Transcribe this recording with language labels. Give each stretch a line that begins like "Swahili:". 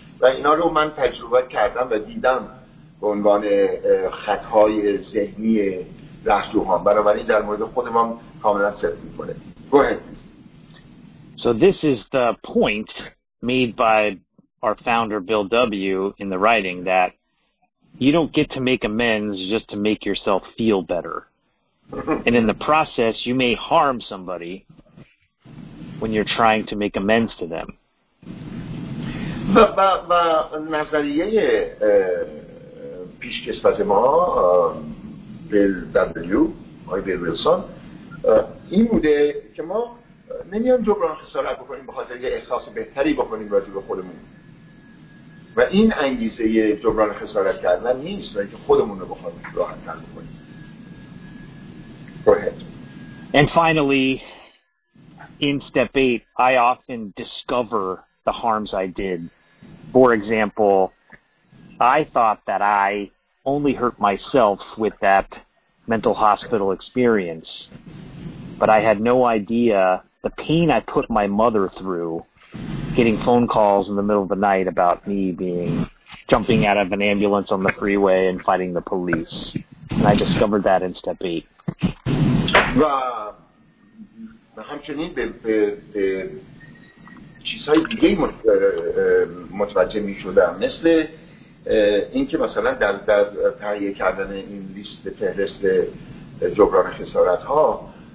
Persian: و اینا رو من تجربه کردم و دیدم به عنوان خطهای ذهنی رهجوهام، بنابراین در مورد خودم هم کاملا صدق میکنه.
English: Go ahead. So this is the point made by our founder, Bill W., in the writing, that you don't get to make amends just to make yourself feel better. And in the process, you may harm somebody when you're trying to make amends to them.
Persian: نمیان جبران خسارت بکنیم بخاطر یه احساس بهتری بکنیم راجع به خودمون، و این انگیزه یه جبران خسارت کردن نیست، و اینکه خودمون رو بخواهیم راحت تر بکنیم.
English: Go ahead. And finally, in step eight, I often discover the harms I did. For example, I thought that I only hurt myself with that mental hospital experience, but I had no idea the pain I put my mother through, getting phone calls in the middle of the night about me being jumping out of an ambulance on the freeway and fighting the police. And I discovered that in step eight.
Persian: و همچنین به چیزهای دیگه متوجه می شدم، مثل اینکه مثلا در تهیه کردن این لیست فهرست جبران خسارت ها،